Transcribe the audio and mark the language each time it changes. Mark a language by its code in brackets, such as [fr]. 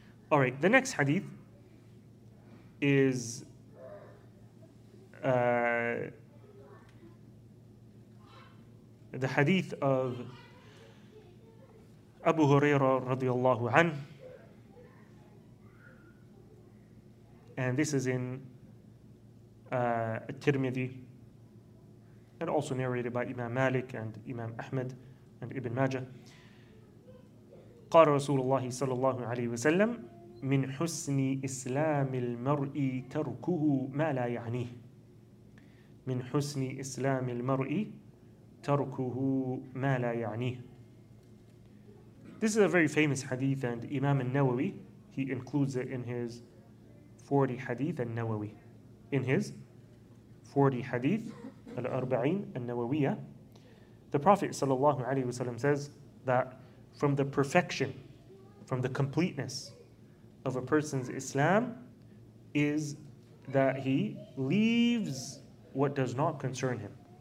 [en] All right, the next hadith is the hadith of Abu Huraira radiallahu an, and this is in Tirmidhi and also narrated by Imam Malik and Imam Ahmed and Ibn Majah. [ar] قال رسول الله صلى الله عليه وسلم من حسن إسلام المرء تركه ما لا يعنيه. من حسن إسلام المرء تركه ما لا يعنيه. [en] This is a very famous hadith, and Imam al-Nawawi, he includes it in his 40 hadith al-Nawawi. In his 40 hadith al-Arba'in al-Nawawiyya, the Prophet sallallahu alayhi wasallam says that from the perfection, from the completeness of a person's Islam is that he leaves what does not concern him.